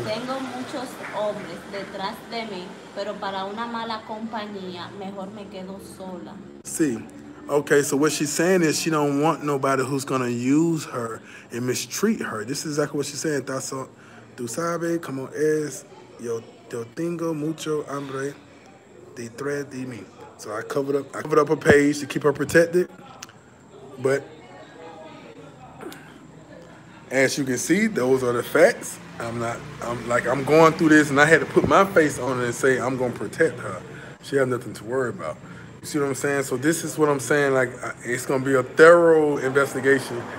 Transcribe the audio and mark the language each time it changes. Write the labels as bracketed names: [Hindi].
[Spanish] Tengo muchos hombres detrás de mí, pero para una mala compañía, mejor me quedo sola. Sí. [English] Okay, so what she's saying is she don't want nobody who's going to use her and mistreat her. This is exactly what she's saying. [Spanish] Tú sabes cómo es yo. Yo tengo mucho hambre detrás de mí. [English] So I covered up a page to keep her protected. But as you can see, those are the facts. I'm going through this and I had to put my face on it and say I'm gonna protect her. She has nothing to worry about. You see what I'm saying? So this is what I'm saying, like it's gonna be a thorough investigation.